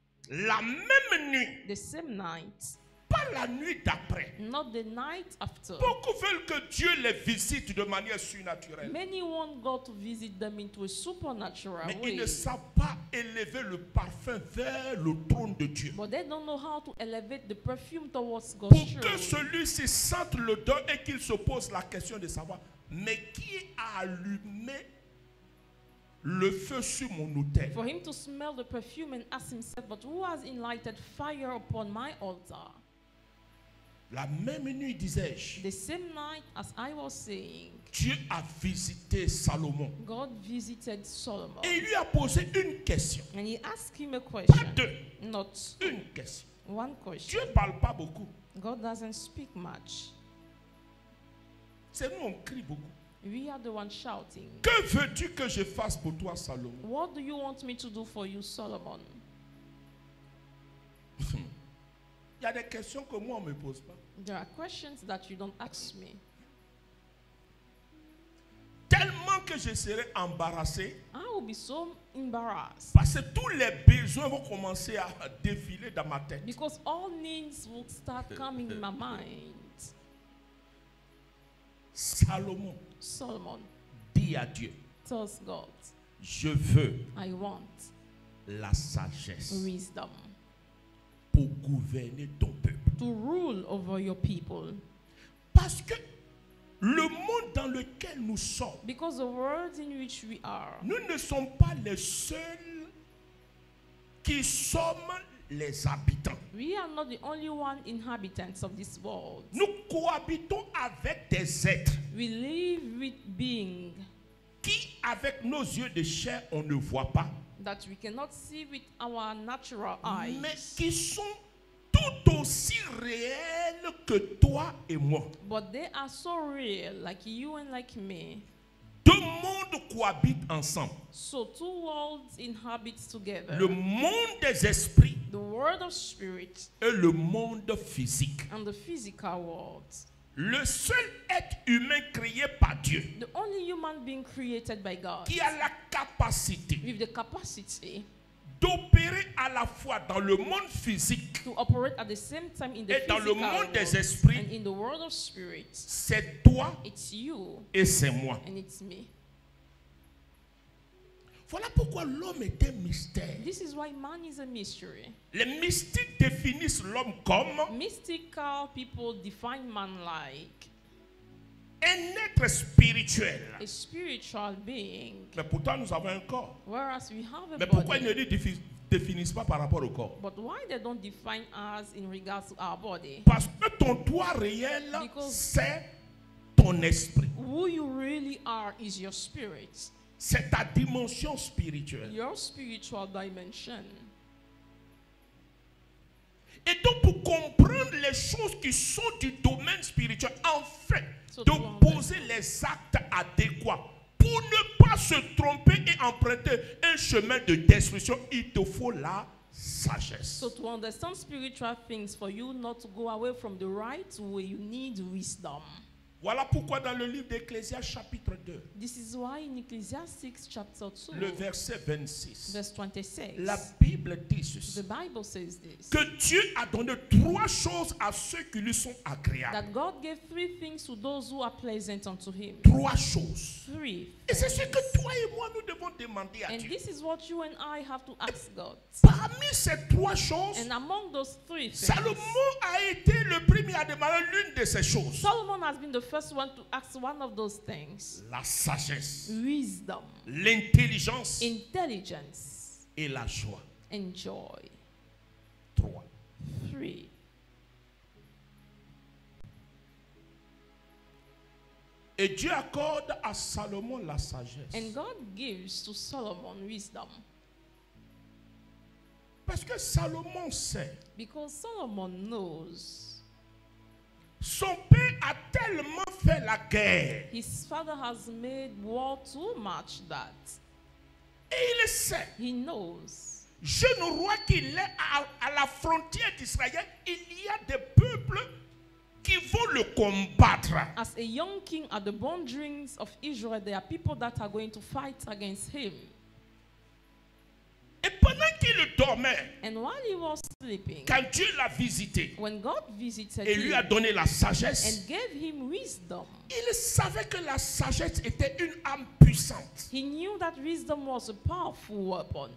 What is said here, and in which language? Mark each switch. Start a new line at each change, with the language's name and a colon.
French: La même nuit.
English: The same night.
French: Pas la nuit d'après.
English: Not the night after.
French: Beaucoup veulent que Dieu les visite de manière surnaturelle.
English: Many want God to visit them into a supernatural
French: mais
English: way.
French: Mais ils ne savent pas élever le parfum vers le trône de Dieu.
English: But they don't know how to elevate the perfume towards God.
French: Pour
English: throne.
French: Que celui-ci sente l'odeur et qu'il se pose la question de savoir, mais qui a allumé le feu sur mon autel?
English: For him to smell the perfume and ask himself, but who has enlightened fire upon my altar?
French: La même nuit, disais-je,
English: the same night as I was saying,
French: Dieu a visité Salomon.
English: God visited Solomon.
French: Et il lui a posé une question.
English: And he asked him a question.
French: Pas deux.
English: Not
French: une question.
English: One question.
French: Dieu ne parle pas beaucoup.
English: God doesn't speak much.
French: C'est nous, on crie beaucoup.
English: We are the one shouting.
French: Que veux-tu que je fasse pour toi, Salomon?
English: What do you want me to do for you, Solomon?
French: Il y a des questions que moi on me pose pas.
English: There are questions that you don't ask me.
French: Tellement que je serai embarrassé.
English: I will be so embarrassed.
French: Parce que tous les besoins vont commencer à défiler dans ma tête.
English: Because all needs will start coming in my mind.
French: Salomon.
English: Solomon.
French: Dis à Dieu.
English: Tells God.
French: Je veux.
English: I want.
French: La sagesse.
English: Wisdom.
French: Pour gouverner ton peuple.
English: To rule over your people.
French: Pas Parce que le monde dans lequel nous sommes,
English: because the world in which we are,
French: nous ne sommes pas les seuls qui sommes les habitants.
English: We are not the only one inhabitants of this world.
French: Nous cohabitons avec des êtres.
English: We live with beings.
French: Qui, avec nos yeux de chair, on ne voit pas.
English: That we cannot see with our natural eyes.
French: Mais qui sont tout aussi réels que toi et moi.
English: But they are so real, like you and like me.
French: Deux mondes cohabitent ensemble.
English: So two worlds inhabit together.
French: Le monde des esprits.
English: The world of spirit.
French: Et le monde physique.
English: And the physical world.
French: Le seul être humain créé par Dieu.
English: The only human being created by God.
French: Qui a la capacité.
English: With the capacity.
French: D'opérer à la fois dans le monde physique.
English: To operate at the same time in the physical world.
French: Et dans le monde des esprits.
English: And in the world of spirit.
French: C'est toi.
English: It's you.
French: Et c'est moi.
English: And it's me.
French: Voilà pourquoi l'homme est un mystère.
English: This is why man is a mystery.
French: Les mystiques définissent l'homme comme
English: mystical people define man like
French: un être spirituel.
English: A spiritual being.
French: Mais pourtant nous avons un corps.
English: Whereas we have a body.
French: Mais pourquoi ils ne le définissent pas par rapport au corps?
English: But why they don't define us in regards to our body?
French: Parce que ton toi réel, c'est ton esprit.
English: Who you really are is your spirit.
French: C'est ta dimension spirituelle.
English: Your spiritual dimension.
French: Et donc pour comprendre les choses qui sont du domaine spirituel, en fait, so de poser les actes adéquats pour ne pas se tromper et emprunter un chemin de destruction, il te faut la sagesse.
English: So to understand spiritual things, for you not to go away from the right way, you need wisdom.
French: Voilà pourquoi dans le livre d'Ecclésiastes chapitre 2.
English: This is why in Ecclesiastes chapter 2.
French: Le verset 26.
English: Verse 26.
French: La Bible dit ceci.
English: The Bible says this.
French: Que Dieu a donné trois choses à ceux qui lui sont agréables.
English: That God gave three things to those who are pleasant unto him.
French: Trois choses.
English: Three.
French: Et c'est ce que toi et moi nous devons demander à
English: and
French: Dieu.
English: And this is what you and I have to ask et God.
French: Parmi ces trois choses.
English: And among those three things.
French: Salomon a été le premier à demander l'une de ces choses.
English: Solomon has been the first one to ask one of those things.
French: La sagesse.
English: Wisdom.
French: L'intelligence.
English: Intelligence.
French: Et la joie.
English: And joy.
French: Trois.
English: Three.
French: Et Dieu accorde à Salomon la sagesse.
English: And God gives to Solomon wisdom.
French: Parce que Salomon sait.
English: Because Solomon knows.
French: Son père a tellement fait la guerre.
English: His father has made war too much that.
French: Et il sait.
English: He knows.
French: Jeune roi qu'il est à la frontière d'Israël, il y a des peuples qui vont le combattre.
English: As a young king at the boundaries of Israel, there are people that are going to fight against him.
French: Et pendant qu'il dormait,
English: and while he was sleeping,
French: quand Dieu l'a visité,
English: when God visited
French: et lui a donné la sagesse,
English: and gave him wisdom,
French: il savait que la sagesse était une arme puissante.
English: He knew that wisdom was a powerful weapon.